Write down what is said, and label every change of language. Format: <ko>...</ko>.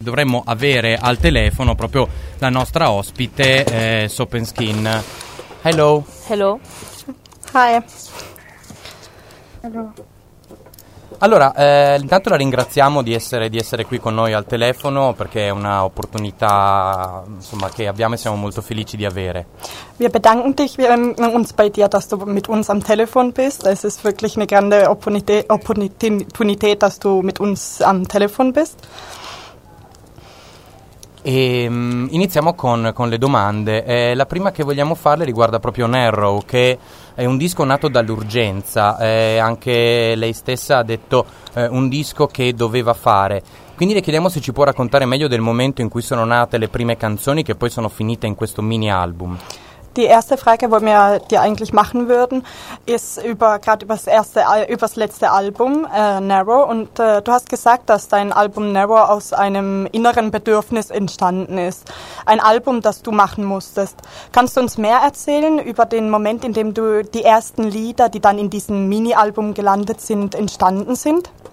<it>dovremmo avere al telefono proprio la nostra ospite, Soap & Skin.</it> <en>Hello. Hello. Hi. Hello.</en> <it>Allora, intanto la ringraziamo di essere qui con noi al telefono, perché è un'opportunità, insomma, che abbiamo e siamo molto felici di avere.</it> <de>Wir bedanken dich uns bei dir, dass du mit uns am Telefon bist. Es ist wirklich eine</de> <it>grande opportunità,</it> <de>dass du mit uns am Telefon bist.</de> <it>E iniziamo con le domande. La prima che vogliamo farle riguarda proprio Narrow, che è un disco nato dall'urgenza. Anche lei stessa ha detto un disco che doveva fare. Quindi le chiediamo se ci può raccontare meglio del momento in cui sono nate le prime canzoni, che poi sono finite in questo mini album.</it> <de>Die erste Frage, wo wir die eigentlich machen würden, ist über das letzte Album, Narrow. Und du hast gesagt, dass dein Album Narrow aus einem inneren Bedürfnis entstanden ist. Ein Album, das du machen musstest. Kannst du uns mehr erzählen über den Moment, in dem du die ersten Lieder, die dann in diesem Mini-Album gelandet sind, entstanden sind?</de>